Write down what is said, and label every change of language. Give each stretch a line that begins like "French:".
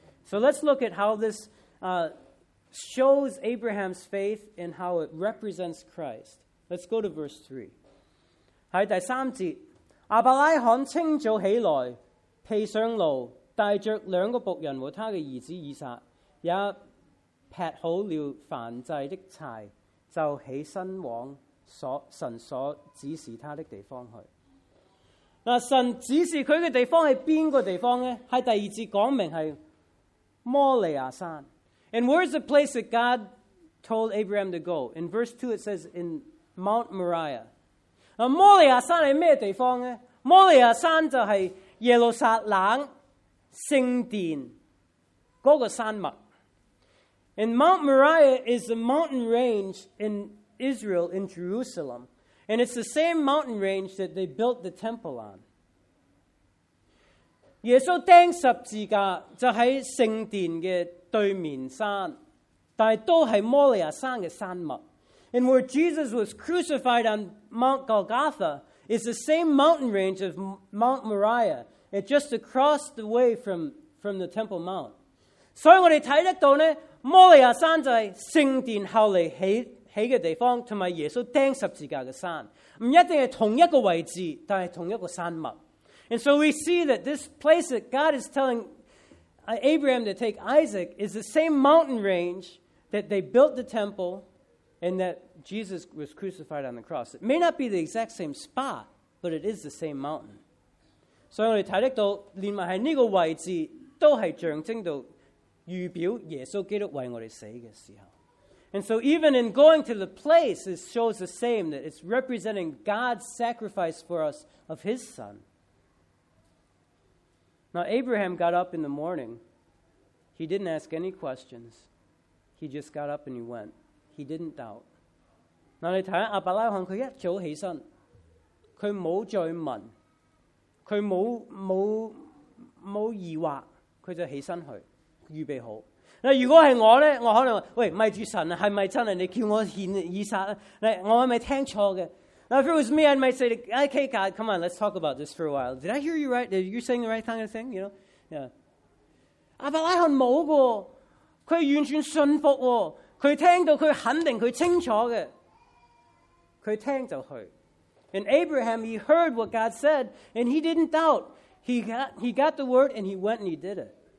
English: So let's look at how this shows Abraham's faith and how it represents Christ. Let's go to verse 3.
Chinese: 在第三节，亚伯拉罕清早起来，披上路，带着两个仆人和他的儿子以撒，也劈好了燔祭的柴，就起身往神所指示他的地方去。神指示他的地方是哪个地方呢？在第二节讲明是摩利亚山。
English: And where is the place that God told Abraham to go? In verse 2 it says in Mount Moriah.
Chinese: Now, 摩利亚山是什么地方呢？摩利亚山就是耶路撒冷圣殿那个山脉。
English: And Mount Moriah is the mountain range in Israel, in Jerusalem. And it's the same mountain range that they built the temple on.
Chinese: 耶稣钉十字架就在圣殿的对面山，但都是摩利亚山的山脉。
English: And where Jesus was crucified on Mount Golgotha is the same mountain range of Mount Moriah. It's just across the way from the Temple Mount.
Chinese: 所以我们看得到呢，摩利亚山就是圣殿后来起的地方，还有耶稣钉十字架的山，不一定是同一个位置，但是同一个山脉。
English: And so we see that this place that God is telling Abraham to take Isaac is the same mountain range that they built the temple and that Jesus was crucified on the cross. It may not be the exact same spot, but it is the same mountain.
Chinese: 所以我们看到，连埋在这个位置都是象征到预表耶稣基督为我们死的时候。
English: And so even in going to the place, it shows the same, that it's representing God's sacrifice for us of his son. Now Abraham got up in the morning. He didn't ask any questions. He just got up and he went. He didn't doubt.
Chinese: 那你看亚伯拉罕他一早起身，他没再问，他没疑惑，他就起身去预备好。那如果是我呢，我可能说，喂，咪住神，是不是真的你叫我献以撒？我是不是听错的？
English: Now if it was me, I might say, okay, God, come on, let's talk about this for a while. Did I hear you right? Are you saying the right kind of thing? You know? Yeah.
Chinese: 亚伯拉罕没的，他完全信服，他听到，他肯定，他清楚的，他听就去。
English: And Abraham, he heard what God said, and he didn't doubt. He got the word, and he went and he did it.